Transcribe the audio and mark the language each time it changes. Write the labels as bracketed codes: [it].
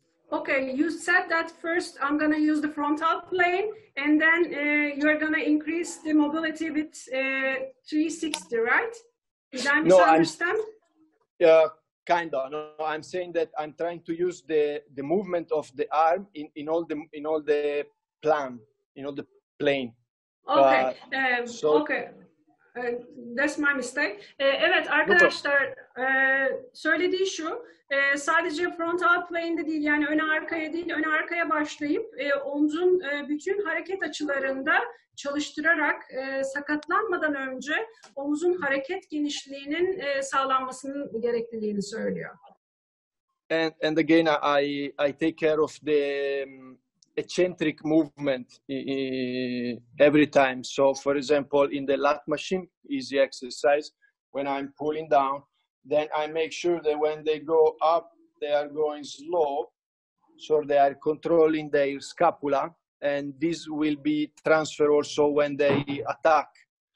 [en] Okay, you said that first I'm going to use the frontal plane, and then you're going to increase the mobility with 360, right? Did I misunderstand? I'm saying that I'm trying to use the movement of the arm in all the plane. Okay. That's my mistake. [tr] Evet arkadaşlar, söylediği şu, sadece front out plane'de değil, yani ön arkaya değil, ön arkaya başlayıp omzun bütün hareket açılarında çalıştırarak sakatlanmadan önce omuzun hareket genişliğinin sağlanmasının gerekliliğini söylüyor. [en] And again, I take care of the eccentric movement every time. So, for example, in the lat machine, easy exercise, when I'm pulling down, then I make sure that when they go up, they are going slow, so they are controlling their scapula, and this will be transferred also when they attack.